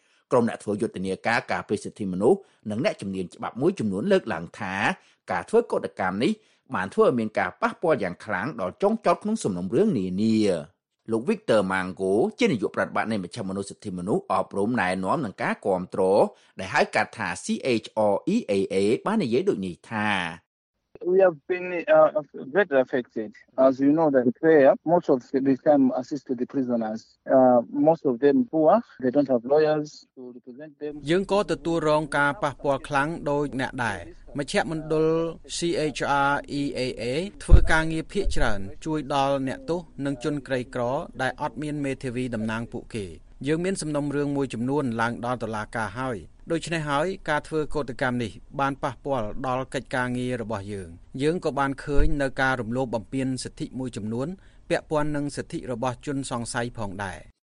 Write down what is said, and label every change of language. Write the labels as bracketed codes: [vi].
[km] ក្រុមអ្នកធ្វើយុទ្ធនាការការពារសិទ្ធិមនុស្សនិងអ្នកជំនាញច្បាប់មួយចំនួនលើកឡើងថាការធ្វើកោតកម្មនេះបានធ្វើឲ្យមានការប៉ះពាល់យ៉ាងខ្លាំងដល់ចុងចប់ក្នុងសំណុំរឿងនានាលោក Victor Mango ជានាយកប្រតិបត្តិនៃមជ្ឈមណ្ឌលសិទ្ធិមនុស្សអប់រំណែនាំនឹងការគាំទ្រដែលហៅកាត់ថា CHREAA បាននិយាយដូចនេះថា [en] We have been greatly affected as you know that there most of the time assisted the prisoners most of them poor they don't have lawyers to represent them [km] យើងក៏ទទួលរងការប៉ះពាល់ខ្លាំងដោយអ្នកដែរមជ្ឈមណ្ឌល CHREAA ធ្វើការងារភាកច្រើនជួយដល់អ្នកទោសនិងជនក្រីក្រដែលអត់មានមេធាវីតំណាងពួកគេយើងមានសំណុំរឿងមួយចំនួនឡើងដល់តុលាការហើយដូច្នេះហើយការធ្វើកោតកម្មនេះបានប៉ះពាល់ដល់កិច្ចការងាររបស់យើងយើងក៏បានឃើញនៅការរំលោភបំពានសិទ្ធិមួយចំនួនពាក់ព័ន្ធនឹងសិទ្ធិរបស់ជនសង្ស័យផងដែរ